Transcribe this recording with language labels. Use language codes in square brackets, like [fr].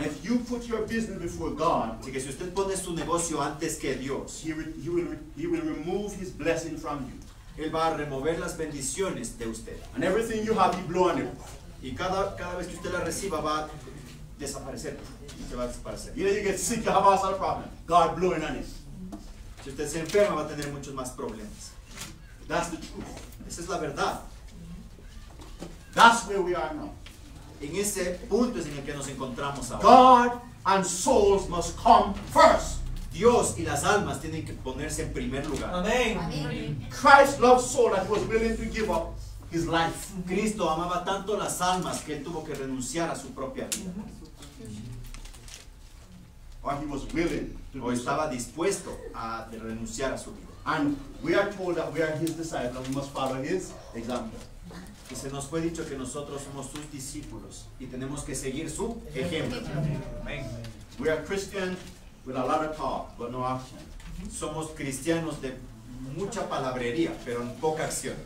[en] And if you put your business before God, [es] así que si usted pone su negocio antes que Dios, [en] he will remove his blessing from you. [es] Él va a remover las bendiciones de usted. [en] And everything you have, he blow on it. [es] Y cada vez que usted la reciba va a desaparecer. Y se va a desaparecer. [en] You know, you get sick, you have a lot of problems. God blowing on it. [es] Si usted se enferma va a tener muchos más problemas. [en] That's the truth. [es] Esa es la verdad. [en] That's where we are now. [es] En ese punto es en el que nos encontramos ahora. [en] God and souls must come first. [es] Dios y las almas tienen que ponerse en primer lugar. Amén. [en] Christ loved souls and was willing to give up his life. [es] Cristo amaba tanto las almas que él tuvo que renunciar a su propia vida. [en] Or he was willing [es] to o estaba dispuesto a renunciar a su vida. [en] And we are told that we are his disciples, we must follow his example. [es] Y se nos fue dicho que nosotros somos sus discípulos y tenemos que seguir su ejemplo. [en] We are Christian with a lot of talk, but no action. [es] Somos cristianos de mucha palabrería, pero en poca acción.